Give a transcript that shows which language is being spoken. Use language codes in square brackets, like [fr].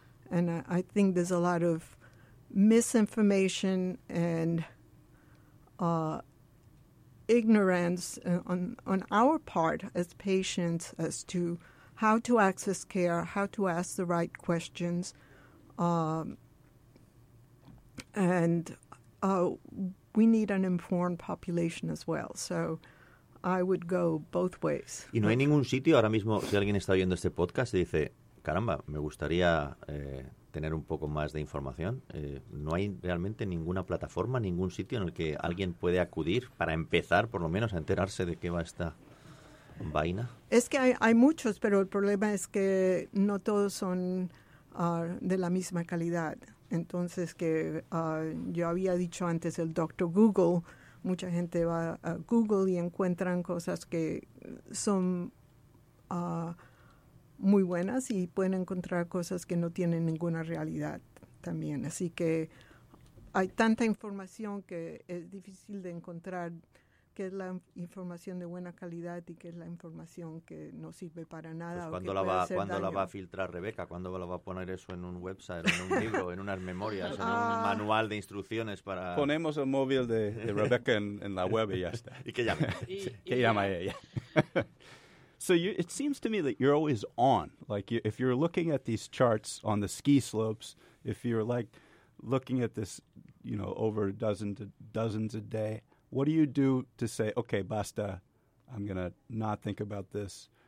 [en] And I think there's a lot of misinformation and ignorance on our part as patients as to how to access care, how to ask the right questions. We need an informed population as well. So I would go both ways. [es] Y no hay ningún sitio ahora mismo, si alguien está oyendo este podcast y dice, caramba, me gustaría tener un poco más de información. No hay realmente ninguna plataforma, ningún sitio en el que alguien puede acudir para empezar, por lo menos, a enterarse de qué va esta vaina. Es que hay muchos, pero el problema es que no todos son de la misma calidad. Entonces, que yo había dicho antes el Dr. Google, mucha gente va a Google y encuentran cosas que son muy buenas y pueden encontrar cosas que no tienen ninguna realidad también. Así que hay tanta información que es difícil de encontrar qué es la información de buena calidad y qué es la información que no sirve para nada. Pues, ¿cuándo, o que la, puede va, ¿cuándo la va a filtrar Rebeca? ¿Cuándo la va a poner eso en un website, en un libro, en unas memorias, en un manual de instrucciones para...? Ponemos el móvil de Rebeca en la web y ya está. ¿Y qué llama? ¿Qué llama ella? [en] So you, it seems to me that you're always on. Like, you, if you're looking at these charts on the ski slopes, if you're, like, looking at this, you know, over a dozen to dozens a day, what do you do to say, okay, basta, I'm going to not think about this?